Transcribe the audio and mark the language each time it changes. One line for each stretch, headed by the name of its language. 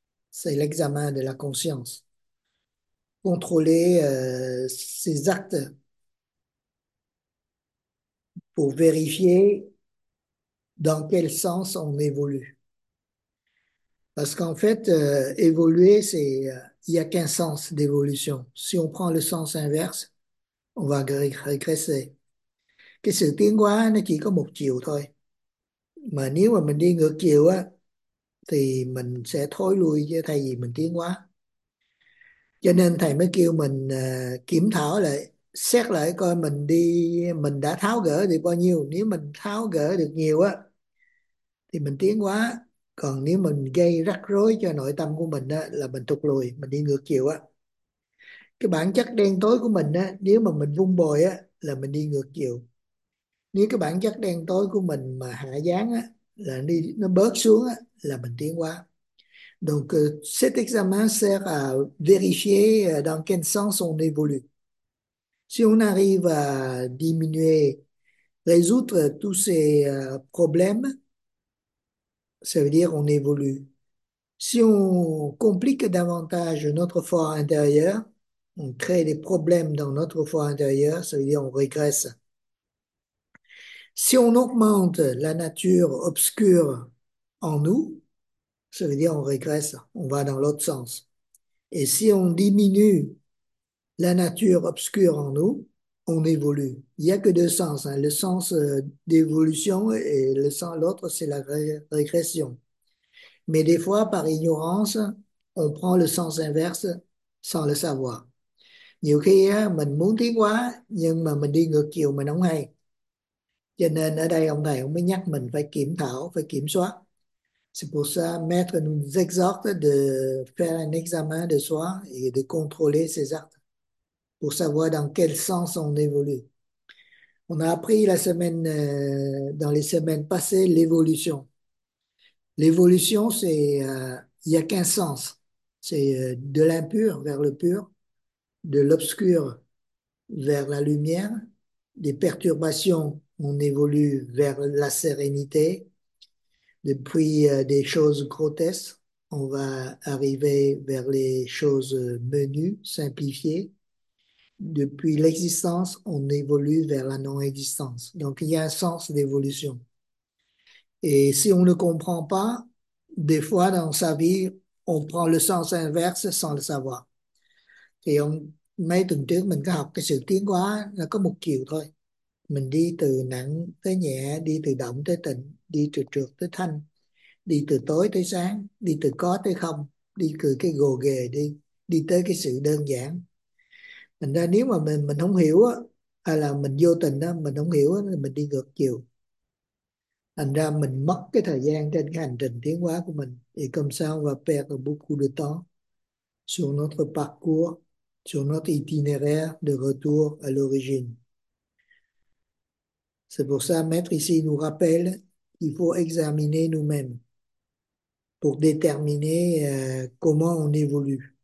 French: C'est l'examen de la conscience. Contrôler ses actes pour vérifier dans quel sens on évolue. Parce qu'en fait, évoluer, c'est il n'y a qu'un sens d'évolution. Si on prend le sens inverse, on va régresser.
Vietnamese: Cái sự tiến hóa nó chỉ có một chiều thôi. Mà nếu mà mình đi ngược chiều á thì mình sẽ thối lui chứ thay vì mình tiến hóa. Cho nên thầy mới kêu mình kiểm thảo lại, xét lại coi mình đi, mình đã tháo gỡ được bao nhiêu. Nếu mình tháo gỡ được nhiều á thì mình tiến hóa, còn nếu mình gây rắc rối cho nội tâm của mình á là mình tụt lùi, mình đi ngược chiều á. Cái bản chất đen tối của mình á, nếu mà mình vung bồi á là mình đi ngược chiều. Nếu cái bản chất đen tối của mình mà hạ giáng á là đi nó bớt xuống á là mình tiến hóa.
French: Donc cet examen sert à vérifier dans quel sens on évolue. Si on arrive à diminuer, résoudre tous ces problèmes, ça veut dire on évolue. Si on complique davantage notre fort intérieur, on crée des problèmes dans notre fort intérieur, ça veut dire on régresse. Si on augmente la nature obscure en nous, ça veut dire on régresse, on va dans l'autre sens. Et si on diminue la nature obscure en nous, on évolue. Il n'y a que deux sens, hein. Le sens d'évolution et le sens, l'autre, c'est la régression. Mais des fois, par ignorance, on prend le sens inverse sans le savoir.
Vietnamese: Nhiều khi á, mình muốn tiến hóa, nhưng mà mình đi ngược chiều, mình không hay. Cho nên ở đây ông thầy ông mới nhắc mình phải kiểm thảo, phải kiểm soát.
French: C'est pour ça, maître nous exhorte de faire un examen de soi et de contrôler ses actes pour savoir dans quel sens on évolue. On a appris la semaine, dans les semaines passées, l'évolution. L'évolution, c'est, il n'y a qu'un sens. C'est de l'impur vers le pur, de l'obscur vers la lumière, des perturbations On évolue vers la sérénité. Depuis des choses grotesques, on va arriver vers les choses menues, simplifiées. Depuis l'existence, on évolue vers la non-existence. Donc, il y a un sens d'évolution. Et si on ne comprend pas, des fois dans sa vie, on prend le sens inverse sans le savoir.
Vietnamese: Thì mấy tuần trước mình có học cái sự tiến hóa là có một chiều thôi. Mình đi từ nặng tới nhẹ, đi từ động tới tịnh, đi từ trượt tới thanh, đi từ tối tới sáng, đi từ có tới không, đi từ cái gồ ghề đi, đi tới cái sự đơn giản. Mình ra nếu mà mình không hiểu á, hay là mình vô tình đó mình không hiểu á, mình đi ngược chiều. Thành ra mình mất cái thời gian trên cái hành trình tiến hóa của mình.
French: Thì comme ça, on va perdre beaucoup de temps sur notre parcours, sur notre itinéraire de retour à l'origine. C'est pour ça, Maître ici nous rappelle qu'il faut examiner nous-mêmes pour déterminer comment on évolue.